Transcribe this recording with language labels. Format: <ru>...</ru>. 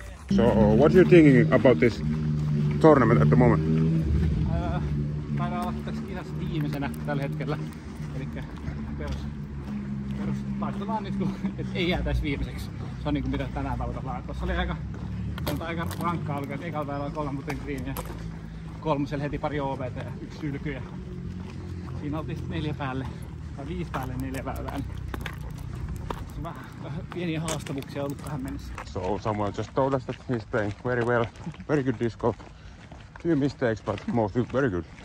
<en>So, what are you thinking about this tournament at the moment?</en> <fi>Taidaan olla tässä kisassa viimeisenä tällä hetkellä. Elikkä perus taistellaan nyt, et ei jää tässä viimeiseksi. Se on niinku mitä tänään tavoitellaan. Tossa oli aika rankkaa alkaa, et ekalla päivällä kolme muuten green ja kolmoselle heti pari OBT ja yksi sylky. Ja siinä oltiin sitten neljä päälle, tai viisi päälle neljä väylää. Pieniä haastavuuksia ollut tähän mennessä.</fi> <en>So someone just told us that he's playing very well. Very good disc golf. Few mistakes, but mostly very good.</en>